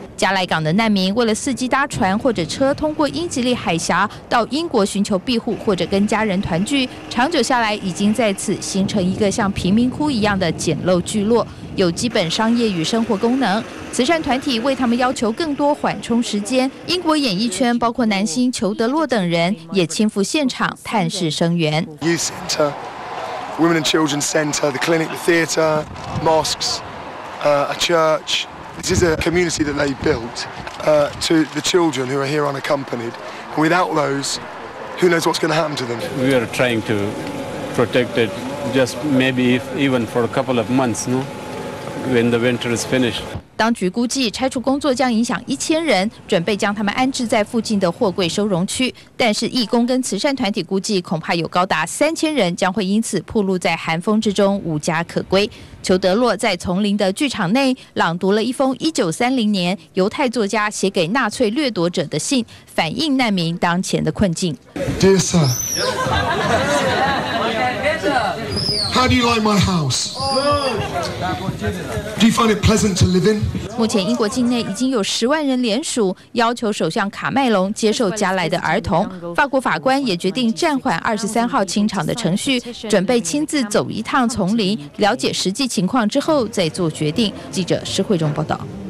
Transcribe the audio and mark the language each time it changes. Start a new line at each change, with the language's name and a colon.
Chinese: 加莱港的难民为了伺机搭船或者车通过英吉利海峡到英国寻求庇护或者跟家人团聚，长久下来已经在此形成一个像贫民窟一样的简陋聚落，有基本商业与生活功能。慈善团体为他们要求更多缓冲时间，英国演艺圈包括男星裘德洛等人也亲赴现场探视声援。
English: Youth Center, Women and Children's Center, the clinic, the theater, mosques, a church. This is a community that they built, to the children who are here unaccompanied. Without those, who knows what's going to happen to them? We are trying to protect it, just maybe even for a couple of months, no? When the winter is finished.
Chinese: 当局估计拆除工作将影响1000人，准备将他们安置在附近的货柜收容区。但是义工跟慈善团体估计，恐怕有高达3000人将会因此暴露在寒风之中，无家可归。裘德洛在丛林的剧场内朗读了一封1930年犹太作家写给纳粹掠夺者的信，反映难民当前的困境。
English: Dear sir, how do you like my house? Do you find it pleasant to live in?
Chinese: 目前英国境内已经有10万人联署要求首相卡麦隆接受加莱的儿童。法国法官也决定暂缓23号清场的程序，准备亲自走一趟丛林，了解实际情况之后再做决定。记者施慧中报道。